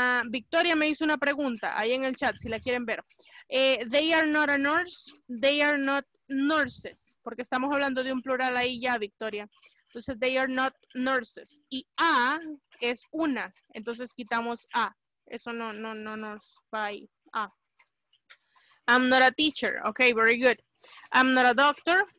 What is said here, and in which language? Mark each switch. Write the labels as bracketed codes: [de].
[es] Victoria me hizo una pregunta ahí en el chat, si la quieren ver. [en] They are not a nurse, they are not nurses. [es] Porque estamos hablando de un plural ahí ya, Victoria. Entonces, [en] they are not nurses. [es] Y a es una. Entonces, quitamos a. Eso no nos va ahí. [en] A. I'm not a teacher. Ok, very good. I'm not a doctor.